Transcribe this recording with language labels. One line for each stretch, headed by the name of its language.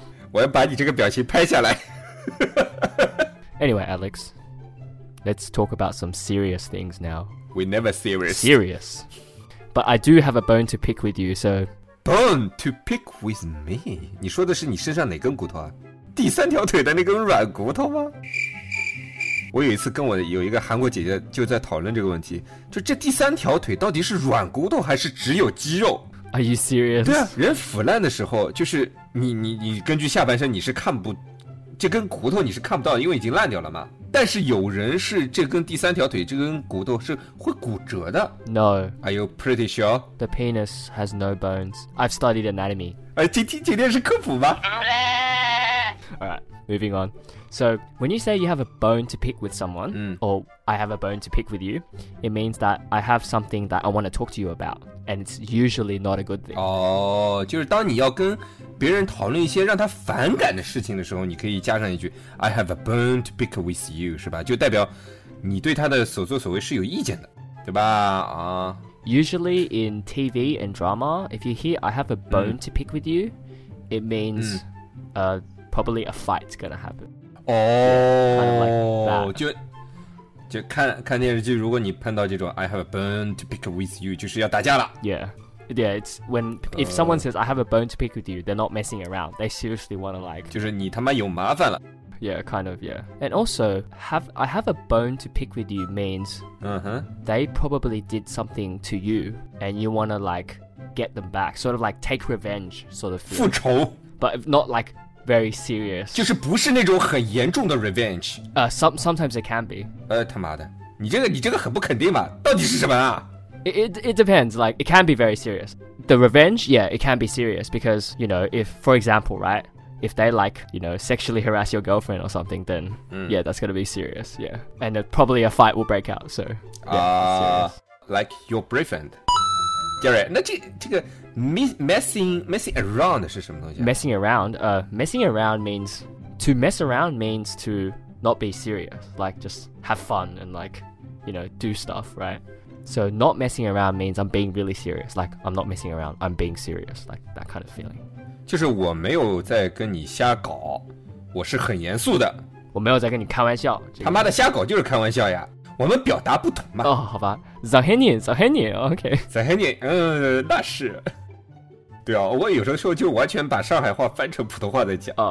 Chinese: 我要把你这个表情拍下来。
English: Anyway, Alex. Let's talk about some serious things now. We're never serious. Serious. But I do have a bone to pick with you, so... Bone to pick with me?
Chinese: 你说的是你身上哪根骨头啊？第三条腿的那根软骨头吗？我有一次跟我有一个韩国姐姐就在讨论这个问题，就这第三条腿到底是软骨头还是只有肌肉？
English: Are you serious?
Chinese: 对啊，人腐烂的时候，就是你根据下半身你是看不，这根骨头你是看不到的，因为已经烂掉了嘛。但是有人是这根第三条腿这根骨头是会骨折的
English: No Are you pretty sure? The penis has no bones I've studied anatomy
Chinese: 今天是科普吗
English: Alright, moving on So when you say you have a bone to pick with someone、Or I have a bone to pick with you It means that I have something that I want to talk to you about And it's usually not a good thing
Chinese: 就是当你要跟别人讨论一些让他反感的事情的时候你可以加上一句
English: I have a bone to pick with you
Chinese: 是吧就代表你对他的所作所为是有意见的，对吧？啊。
English: Usually in TV and drama, if you hear I have a bone、嗯、to pick with you, it means、嗯、probably a fight's gonna happen. 哦、yeah, like、
Chinese: 就看看电视剧，如果你碰到这种
English: I have a bone to pick with you,
Chinese: 就是要打架了。
English: Yeah, yeah. It's when if someone says I have a bone to pick with you, they're not messing around. They seriously want to like.
Chinese: 就是你他妈有麻烦了。
English: Yeah, kind of, yeah. And also, I have a bone to pick with you means、 uh-huh. they probably did something to you and you want to, like, get them back. Sort of like take revenge, sort of.
Chinese: 复仇
English: But not, like, very serious.
Chinese: 就是不是那种很严重的 revenge.
English: Sometimes it can be.
Chinese: 他妈的。你这个很不肯定嘛。到底是什么啊
English: it depends. Like, it can be very serious. The revenge, yeah, it can be serious because, you know, if, for example, right? If they like, you know, sexually harass your girlfriend or something, then、mm. yeah, that's gonna be serious, yeah. And probably a fight will break out, so yeah, Like your boyfriend.
Chinese: Gary, 那这个
English: messing around
Chinese: 是什么东西、啊、
English: Messing around means, to mess around means to not be serious, like just have fun and like, you know, do stuff, right? So not messing around means I'm being really serious, like I'm not messing around, I'm being serious, like that kind of feeling.
Chinese: 就是我没有在跟你瞎搞，我是很严肃的。我没有在跟你开玩笑。这个、他妈的瞎搞就是开玩笑呀！我们表达不同嘛。哦，好吧。Zahenny OK。 Zahenny 那是。对啊，我有时候就完全把上海话翻成普通话在讲。